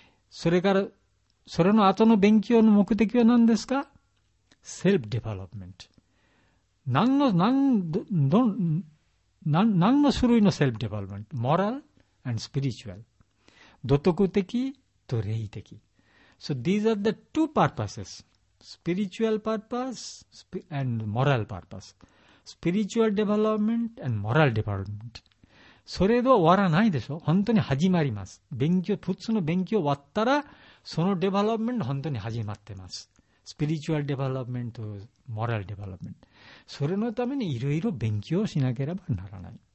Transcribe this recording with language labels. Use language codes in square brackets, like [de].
[ja] それから、それの後の勉強の目的は何ですか。セルフデベロップメント、何の種類のセルフデベロップメント。モラル and スピリチュアル、道徳的と霊的。 [en] So these are the two purposes, spiritual purpose and moral purpose, spiritual development and moral development。 [ja] それで終わらないでしょ、本当に始まります。勉強、普通の勉強終わったらそのデベロップメント本当に始まってます。スピリチュアルデベロップメント、モラルデベロップメント、それのためにいろいろ勉強しなければならない。